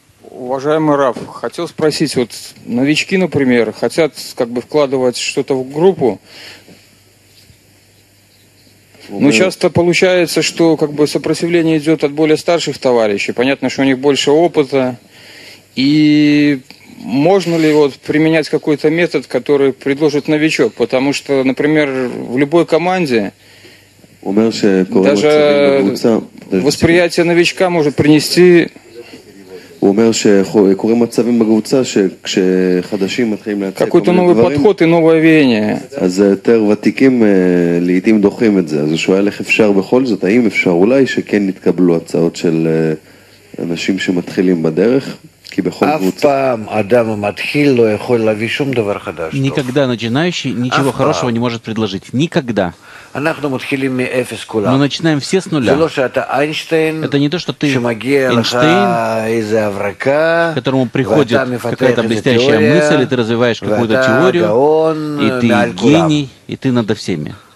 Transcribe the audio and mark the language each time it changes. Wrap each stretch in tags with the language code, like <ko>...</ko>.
<ru>Уважаемый Раф, хотел спросить, вот новички, например, хотят как бы вкладывать что-то в группу, но часто получается, что как бы сопротивление идет от более старших товарищей, понятно, что у них больше опыта, и можно ли вот применять какой-то метод, который предложит новичок, потому что, например, в любой команде даже восприятие новичка может принести...</ru> <he>הוא אומר שקורים מצבים בקבוצה שכשחדשים מתחילים להציע כל מיני דברים,</he> <ru>подход,</ru> <he>אז יותר ותיקים לעתים דוחים את זה, אז הוא שואל איך אפשר בכל זאת, האם אפשר אולי שכן נתקבלו הצעות של אנשים שמתחילים בדרך?</he> <ru>Никогда начинающий ничего хорошего не может предложить. Никогда. Мы начинаем все с нуля. Это не то, что ты Эйнштейн, которому приходит какая-то блестящая мысль, и ты развиваешь какую-то теорию, и ты гений, и ты надо всеми.</ru>